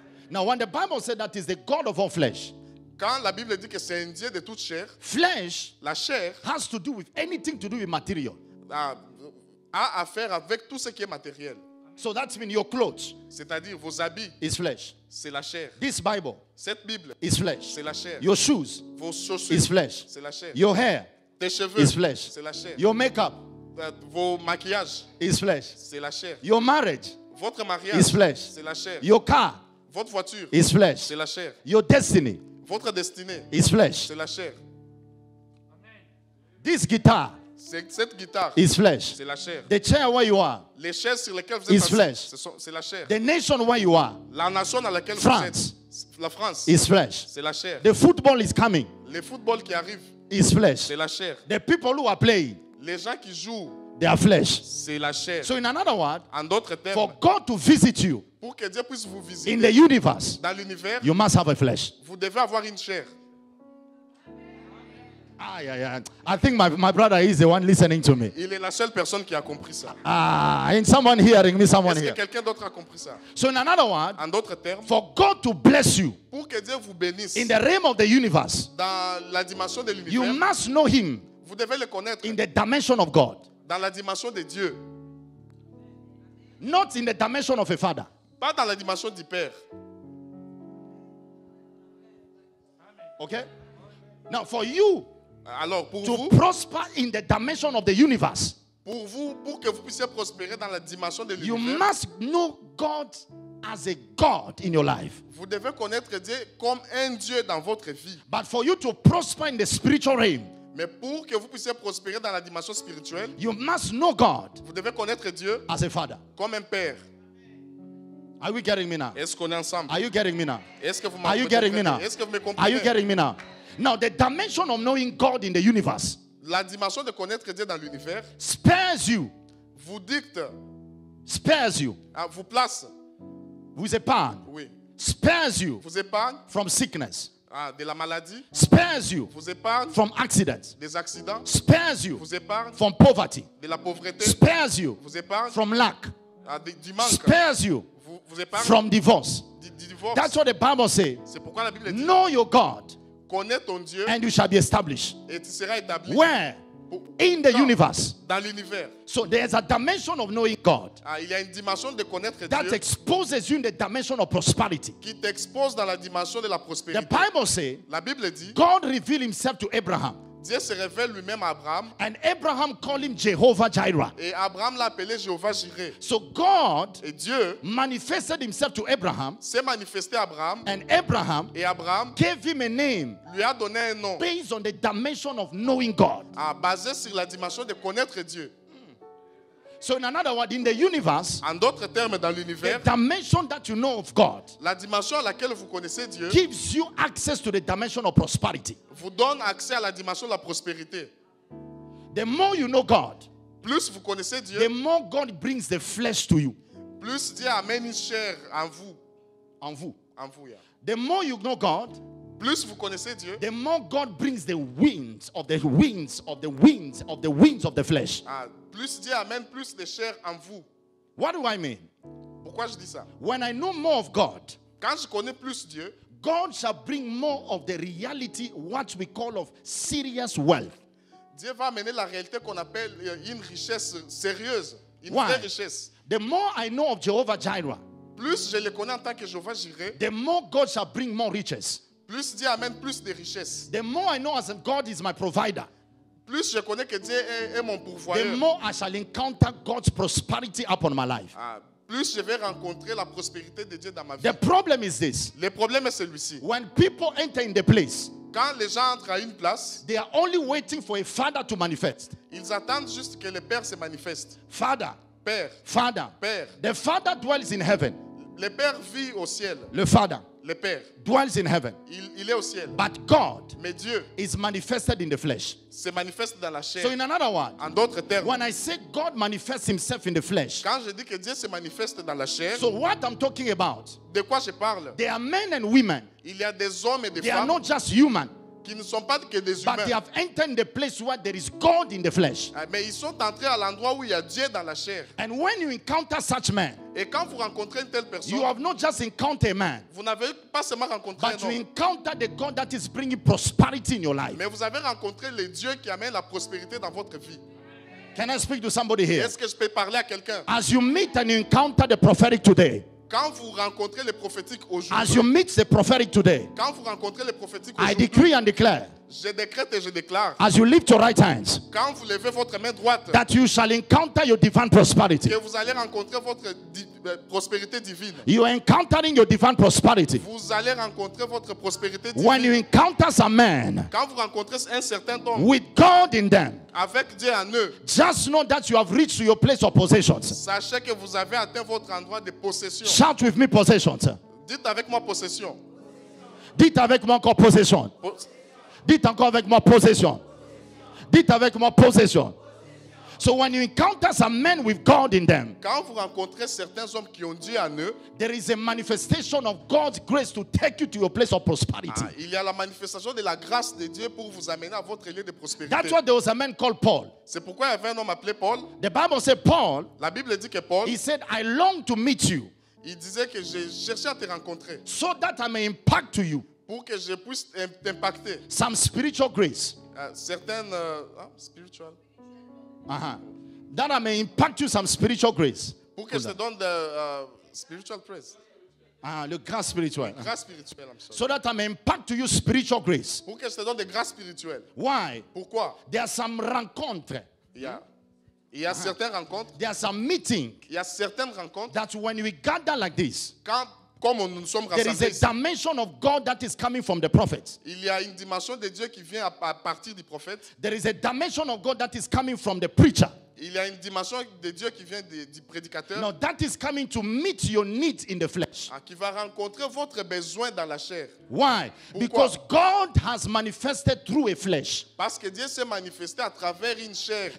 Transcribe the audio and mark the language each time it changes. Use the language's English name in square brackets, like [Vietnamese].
[English] Now when the Bible said that is the God of all flesh, [French] quand la Bible dit que c'est un Dieu de toute chair, [English] flesh, [French] la chair, [English] has to do with anything to do with material. [French] A à faire avec tout ce qui est matériel. [English] So that means your clothes, [French] c'est-à-dire vos habits, [English] is flesh. [French] C'est la chair. [English] This Bible, [French] cette Bible, [English] is flesh. [French] C'est la chair. [English] Your shoes, [French] vos chaussures, [English] is flesh. [French] C'est la chair. [English] Your hair, [French] tes cheveux, [English] is flesh. [French] C'est la chair. [English] Your makeup, [French] vos maquillages, [English] is flesh. [French] C'est la chair. [English] Your marriage, [French] votre mariage, [English] is flesh. [French] C'est la chair. [English] Your car, [French] votre voiture, [English] is flesh. [French] C'est la chair. [English] Your destiny, [French] votre destinée, [English] is flesh. [French] C'est la chair. [English] This guitar. [French] Cette guitare [English] is flesh. [French] C'est la chair. [English] The chair where you are. [French] Les chaises sur lesquelles vous êtes [English] is flesh. [French] C'est la chair. [English] The nation where you are. [French] La nation à laquelle [English] France [French] vous êtes. La France. [English] Is flesh. [French] C'est la chair. [English] The football is coming. [French] Le football qui arrive. [English] Is flesh. [French] C'est la chair. [English] The people who are playing. [French] Les gens qui jouent. [English] They are flesh. [French] C'est la chair. [English] So in another word, [French] en d'autres termes, [English] for God to visit you. [French] Pour que Dieu puisse vous visiter. [English] In the universe. [French] Dans l'univers. [English] You must have a flesh. [French] Vous devez avoir une chair. [English] Ah, yeah, yeah. I think my brother is the one listening to me. [French] Il est la seule personne qui a compris ça. [English] Ah, and someone hearing me, someone [French] est-ce [English] here. [French] Que quelqu'un d'autre a compris ça? [English] So in another word, [French] en d'autres termes, [English] for God to bless you, [French] pour que Dieu vous bénisse, [English] in the realm of the universe, [French] dans la dimension de l'univers, [English] you must know him, [French] vous devez le connaître, [English] in the dimension of God, [French] dans la dimension de Dieu, [English] not in the dimension of a father, [French] pas dans la dimension du père. [English] Okay? Now for you, [French] alors, pour [English] to [French] vous, [English] prosper in the dimension of the universe, [French] pour vous, pour que vous puissiez prospérer dans la dimension de l'univers, [English] you must know God as a God in your life. [French] Vous devez connaître Dieu comme un Dieu dans votre vie. [English] But for you to prosper in the spiritual realm, [French] mais pour que vous puissiez prospérer dans la dimension spirituelle, [English] you must know God. [French] Vous devez connaître Dieu [English] as a Father, [French] comme un père. [English] Are we getting me now? [French] Est-ce qu'on est ensemble? [English] Are you getting me now? [French] Est-ce que vous m'avez? [English] Are you getting me now? [French] Est-ce que vous me comprenez? [English] Are you getting me now? Now the dimension of knowing God in the universe, [French] la dimension de connaître Dieu dans l'univers, [English] spares you, [French] vous dicte, [English] spares you, [French] vous place, vous épargne, oui, [English] spares you, [French] vous épargne, [English] from sickness, [French] de la maladie, [English] spares you, [French] vous épargne, [English] from accidents, [French] des accidents, [English] spares you, [French] vous épargne, [English] from poverty, [French] de la pauvreté, [English] spares you, [French] vous épargne, [English] from lack, [French] du manque, [English] spares you, [French] vous épargne, [English] from divorce. [French] Divorce. [English] That's what the Bible say. [French] C'est pourquoi la Bible dit, [English] know your God. [French] Connais ton Dieu, [English] and you shall be established. [French] Et tu seras établi. [English] Where? in the universe. [French] Dans l'univers. [English] So there's a dimension of knowing God. [French] Ah, il y a une dimension de connaître [English] that [French] Dieu. [English] That exposes you in the dimension of prosperity. [French] Qui t'expose dans la dimension de la prospérité. [English] The Bible says. [French] La Bible dit. [English] God revealed himself to Abraham. [French] Dieu se révèle lui-même à Abraham. [English] And Abraham called him Jehovah Jireh. [French] Et Abraham l'a appelé Jehovah Jireh. [English] So God [French] et Dieu [English] manifested himself to Abraham. [French] S'est manifesté à Abraham. [English] And Abraham [French] et Abraham [English] gave him a name. [French] Lui a donné un nom. [English] Based on the dimension of knowing God. [French] Ah, basé sur la dimension de connaître Dieu. [English] So in another word, in the universe, [French] en d'autres termes, dans l'univers, [English] the dimension that you know of God, [French] la dimension à laquelle vous connaissez Dieu, [English] gives you access to the dimension of prosperity. [French] Vous donne accès à la dimension de la prospérité. [English] The more you know God, [French] plus vous connaissez Dieu, [English] the more God brings the flesh to you. [French] Plus Dieu amène une chair en vous, en vous, en vous. [English] Yeah. The more you know God, [French] plus vous connaissez Dieu, [English] the more God brings the winds of the winds of the winds of the winds of the flesh. [French] Plus Dieu amène plus de chair en vous. [English] What do I mean? [French] Pourquoi je dis ça? [English] When I know more of God, [French] quand je connais plus Dieu, [English] God shall bring more of the reality, what we call of serious wealth. [French] Dieu va amener la réalité qu'on appelle une richesse sérieuse, une [English] Why? [French] Vraie richesse. [English] The more I know of Jehovah Jireh, [French] plus je le connais en tant que Jehovah Jireh, [English] the more God shall bring more riches. [French] Plus Dieu amène plus de richesses. [English] The more I know as God is my provider. [French] Plus je connais que Dieu est mon pourvoyeur. [English] The more I shall encounter God's prosperity upon my life. [French] Plus je vais rencontrer la prospérité de Dieu dans ma vie. [English] The problem is this. [French] Le problème est celui-ci. [English] When people enter in the place, [French] quand les gens entrent à une place, [English] they are only waiting for a father to manifest. [French] Ils attendent juste que le Père se manifeste. [English] Father. [French] Père. [English] Father. [French] Père. [English] The Father dwells in heaven. [French] Le Père vit au ciel. Le [English] Father. [French] Le Père [English] dwells in heaven. [French] Il est au ciel. [English] But God [French] mais Dieu [English] is manifested in the flesh. [French] Se manifeste dans la chair. [English] So in another word, [French] en d'autres termes, [English] when I say God manifests himself in the flesh, [French] quand je dis que Dieu se manifeste dans la chair, [English] so what I'm talking about, [French] de quoi je parle, [English] there are men and women, [French] il y a des hommes et des [English] they [French] femmes, [English] are not just human, [French] qui ne sont pas que des [English] but [French] humains, [English] they have entered the place where there is God in the flesh. [French] Mais ils sont entrés à l'endroit où il y a Dieu dans la chair. [English] And when you encounter such men, [French] et quand vous rencontrez une telle personne, [English] you have not just encountered a man, [French] vous n'avez pas seulement rencontré un homme, [English] but you encounter the God that is bringing prosperity in your life. [French] Mais vous avez rencontré le Dieu qui amène la prospérité dans votre vie. [English] Can I speak to somebody here? [French] Est-ce que je peux parler à quelqu'un? [English] As you meet and you encounter the prophetic today, [French] quand vous rencontrez les prophétiques aujourd'hui, [English] as you meet the prophetic today, [French] quand vous rencontrez les prophétiques aujourd'hui, [English] I decree and declare, [French] je décrète et je déclare, [English] as you lift your right hands, [French] quand vous levez votre main droite, [English] that you shall encounter your divine prosperity, [French] que vous allez rencontrer votre prospérité divine. [English] You are encountering your divine prosperity. [French] Vous allez rencontrer votre prospérité divine. [English] When you encounter a man, [French] quand vous rencontrez un certain homme, [English] with God in them, [French] avec Dieu en eux, [English] just know that you have reached your place of possessions. [French] Sachez que vous avez atteint votre endroit de possession. [English] Shout with me, possessions. [French] Dites avec moi, possession. Dites avec moi encore, possession. Dites encore avec moi, possession. Dites avec moi, possession. [English] So when you encounter some men with God in them, [French] quand vous rencontrez certains hommes qui ont Dieu en eux, [English] there is a manifestation of God's grace to take you to your place of prosperity. [French] Ah, il y a la manifestation de la grâce de Dieu pour vous amener à votre lieu de prospérité. [English] That's what there was a man called Paul. [French] C'est pourquoi il y avait un homme appelé Paul. [English] The Bible says Paul. [French] La Bible dit que Paul. [English] He said, "I long to meet you." [French] Il disait que je cherchais à te rencontrer. [English] So that I may impact to you. [French] Pour que je puisse t'impacter. [English] Some spiritual grace. [French] Certaines spiritual. [English] That I may impact you some spiritual grace. [French] Pour que je donne de [English] spiritual grace. [French] Le grâce spirituelle. Grâce spirituelle, [English] I'm sorry. So that I may impact to you spiritual grace. [French] Pour que je donne de grâce spirituelle. [English] Why? [French] Pourquoi? [English] There are some rencontres. Yeah. [French] Il y a certaines rencontres. [English] There are some meetings. [French] Il y a certaines rencontres. [English] That when we gather like this. [French] Quand comme nous nous sommes rassemblés. [English] There is a dimension of God that is coming from the prophets. [French] Il y a une dimension de Dieu qui vient à partir du prophète. [English] There is a dimension of God that is coming from the preacher. [French] Il y a une dimension de Dieu qui vient du prédicateur. [English] Now that is coming to meet your needs in the flesh. [French] Qui va rencontrer votre besoin dans la chair. [English] Why? [French] Pourquoi? [English] Because God has manifested through a flesh. [French] Parce que Dieu s'est manifesté à travers une chair.